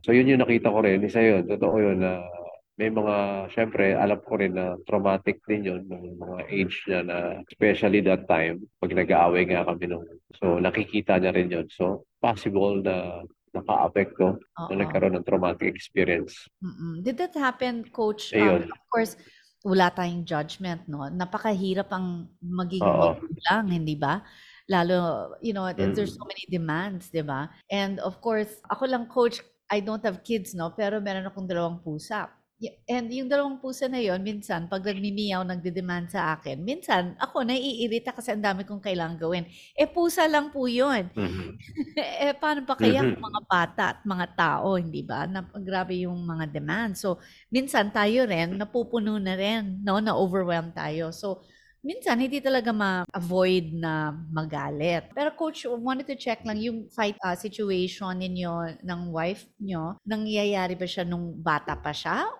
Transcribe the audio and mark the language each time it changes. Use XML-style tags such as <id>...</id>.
<tl>So yun yung nakita ko rin, isa yun, totoo yun na may mga, syempre, alam ko rin na traumatic din yun ng mga age niya na</tl> <en>especially that time,</en> <tl>pag nag-aaway nga kami nung, so nakikita niya rin yun. So, possible na naka-apekto na nagkaroon ng traumatic experience.</tl> <en>Mm-mm. Did that happen, Coach? Ayun. Of course,</en> <tl>wala tayong judgment, no? Napakahirap ang magiging magulang, hindi ba?</tl> <en>Lalo, you know, there's so many demands,</en> <tl>di ba?</tl> <en>And of course, ako lang, Coach, I don't have kids, no?</en> <tl>Pero meron akong dalawang pusa. And yung dalawang pusa na yon minsan pag nagmimiyaw nagde-demand sa akin, minsan ako naiirita kasi ang dami kong kailangan gawin. Eh pusa lang po yon. Eh paano pa kaya ang mga bata at mga tao, hindi ba? Grabe yung mga demand. So minsan tayo rin, napupuno na rin, no? Na-overwhelm tayo. So minsan hindi talaga ma-avoid na magalit. Pero coach,</tl> <en>wanted to check</en> <tl>lang yung</tl> <en>fight situation</en> <tl>ninyo ng wife nyo. Nangyayari ba siya nung bata pa siya?</tl>